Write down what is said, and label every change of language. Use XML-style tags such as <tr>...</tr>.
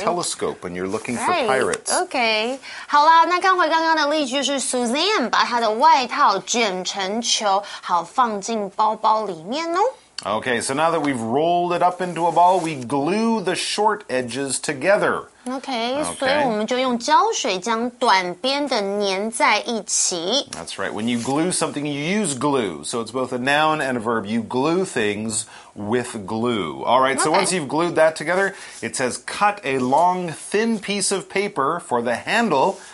<en>a telescope and you're looking、 right. for pirates.</en> <zh>OK, 好啦那刚回刚刚的例句是 Suzanne 把她的外套卷成球好放进包包里面哦。</zh> <en>Okay, so now that we've rolled it up into a ball, we glue the short edges together.</en> <zh>Okay, 所以我们就用胶水将短边的粘在一起。</zh> <en>That's right. When you glue something, you use glue. So it's both a noun and a verb. You glue things with glue. All right, so once you've glued that together, it says cut a long, thin piece of paper for the handle.</en>